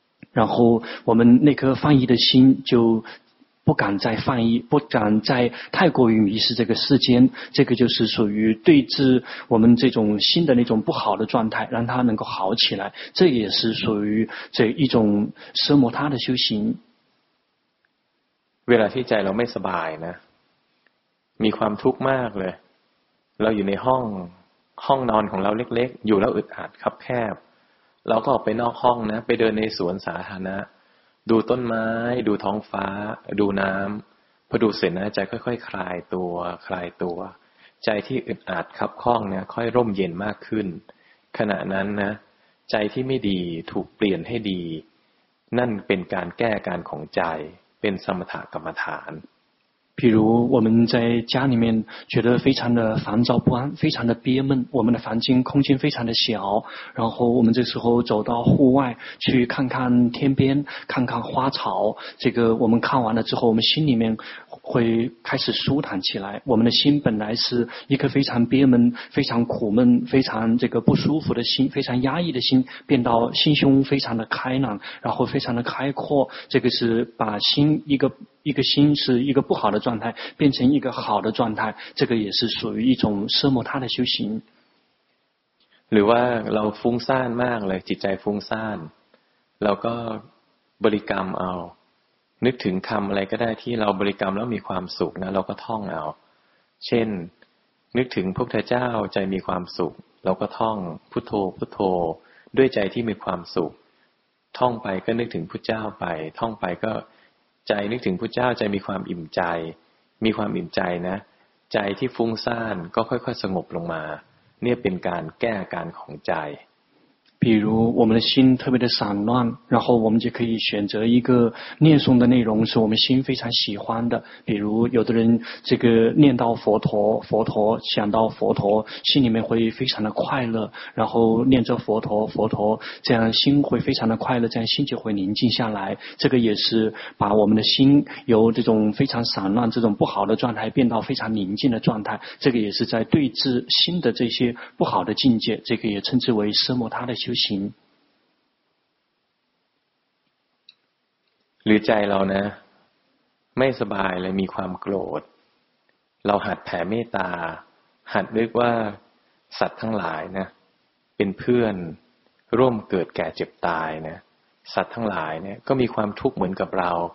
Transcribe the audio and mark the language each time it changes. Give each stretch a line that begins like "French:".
Chinese: 然后我们那颗放逸的心就不敢再放逸不敢再太过于迷失这个世间这个就是属于对治我们这种心的那种不好的状态让它能够好起来这也是属于这一种奢摩他的修行
Thai: เวลาที่ใจเราไม่สบายนะมีความทุกข์มากเลยเราอยู่ในห้องนอนของเราเล็กๆอยู่แล้วอึดอัดครับแคบ เราก็ออกไปนอกห้องนะไปเดินในสวนสาธารณะดูต้นไม้ดูท้องฟ้าดูน้ำพอดูเสร็จนะใจค่อยๆคลายตัวคลายตัวใจที่อึดอัดครับข้องเนี่ยค่อยร่มเย็นมากขึ้นขณะนั้นนะใจที่ไม่ดีถูกเปลี่ยนให้ดีนั่นเป็นการแก้การของใจเป็นสมถกรรมฐาน
Chinese: 比如我们在家里面觉得非常的烦躁不安非常的憋闷我们的房间空间非常的小然后我们这时候走到户外去看看天边看看花草这个我们看完了之后我们心里面会开始舒坦起来我们的心本来是一颗非常憋闷非常苦闷非常这个不舒服的心非常压抑的心变到心胸非常的开朗然后非常的开阔这个是把心一个心是一个不好的状态变成一个好的状态这个也是属于一种奢摩他的修行
Thai: หรือว่าเราฟุ้งซ่านมากเลยจิตใจฟุ้งซ่านเราก็บริกรรมเอานึกถึงคำอะไรก็ได้ที่เราบริกรรมแล้วมีความสุขนะเราก็ท่องเอาเช่น นึกถึงพระพุทธเจ้าใจมีความสุขเราก็ท่องพุทโธพุทโธด้วยใจที่มีความสุขท่องไปก็นึกถึงพุทธเจ้าไปท่องไปก็ใจนึกถึงพุทธเจ้าใจมีความอิ่มใจมีความอิ่มใจนะใจที่ฟุ้งซ่านก็ค่อยๆสงบลงมาเนี่ยเป็นการแก้อาการของใจ
Chinese: 比如我们的心特别的散乱然后我们就可以选择一个念诵的内容是我们心非常喜欢的比如有的人这个念到佛陀想到佛陀心里面会非常的快乐然后念着佛陀这样心会非常的快乐这样心就会宁静下来这个也是把我们的心由这种非常散乱这种不好的状态变到非常宁静的状态这个也是在对治心的这些不好的境界这个也称之为奢摩他的修行
Thai: หรือใจเรานะไม่สบายเลยมีความโกรธเราหัดแผ่เมตตาหัดนึกว่าสัตว์ทั้งหลายนะเป็นเพื่อนร่วมเกิดแก่เจ็บตายนะสัตว์ทั้งหลายเนี่ยก็มีความทุกข์เหมือนกับเรา